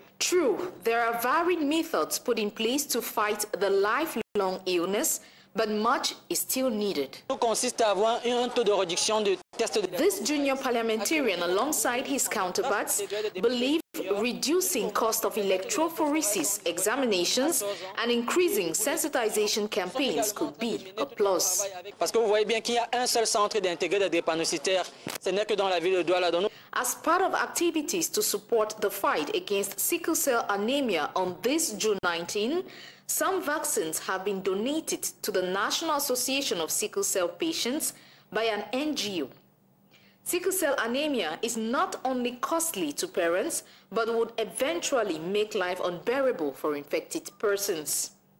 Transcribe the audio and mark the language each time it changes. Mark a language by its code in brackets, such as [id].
[en] True, there are varied methods put in place to fight the lifelong illness, but much is still needed. This junior parliamentarian, alongside his counterparts, believe reducing cost of electrophoresis examinations and increasing sensitization campaigns could be a plus. [fr] Parce que vous voyez bien qu'il y a un seul centre d'intégré de drépanocytaire, ce n'est que dans la ville de Douala. [en] As part of activities to support the fight against sickle cell anemia on this June 19, some vaccines have been donated to the National Association of Sickle Cell Patients by an NGO. Sickle cell anemia is not only costly to parents, but would eventually make life unbearable for infected persons.